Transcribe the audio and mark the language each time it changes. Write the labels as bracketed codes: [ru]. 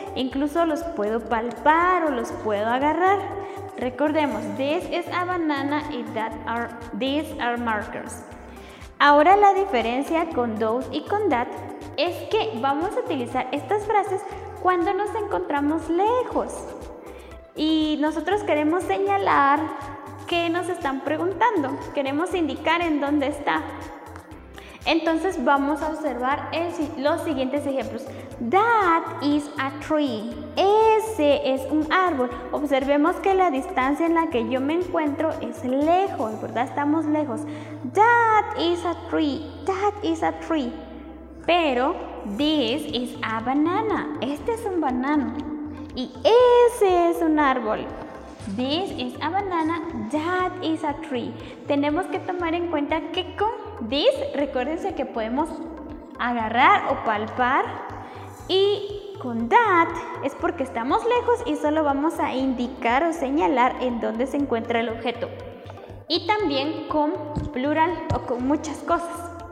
[es] Incluso los puedo palpar o los puedo agarrar. Recordemos, [en] this is a banana y these are markers. [es] Ahora la diferencia con those y con that es que vamos a utilizar estas frases cuando nos encontramos lejos. Y nosotros queremos señalar qué nos están preguntando. Queremos indicar en dónde está. Entonces vamos a observar los siguientes ejemplos. [en] That is a tree. [es] Ese es un árbol. Observemos que la distancia en la que yo me encuentro es lejos, ¿verdad? Estamos lejos. [en] That is a tree. That is a tree. [es] Pero [en] this is a banana. [es] Este es un banano. Y ese es un árbol. [en] This is a banana, that is a tree. [es] Tenemos que tomar en cuenta que con this, recuérdense que podemos agarrar o palpar. Y con that es porque estamos lejos y solo vamos a indicar o señalar en dónde se encuentra el objeto. Y también con plural o con muchas cosas.